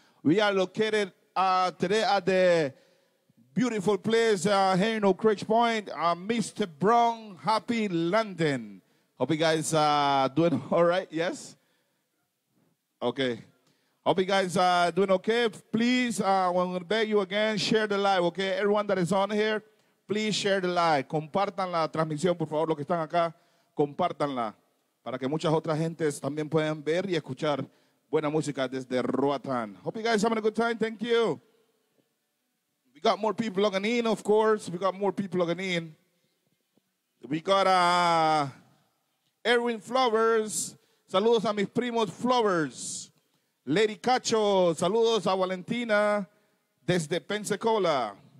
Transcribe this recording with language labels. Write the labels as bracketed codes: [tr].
[en] We are located today at the beautiful place here in OakRidge Point, Mr. Brown, Happy London. Hope you guys are doing all right. Yes? Okay. Hope you guys are doing okay. Please, I'm going to beg you again, share the live, okay? Everyone that is on here, please share the live. [es] Compartan la transmisión, por favor, los que están acá, compartanla para que muchas otras gentes también puedan ver y escuchar buena música desde Roatan. [en] Hope you guys are having a good time. Thank you. We got more people logging in, of course. We got more people logging in. We got Erwin Flowers. [es] Saludos a mis primos Flowers. Lady Cacho, saludos a Valentina desde Pensacola.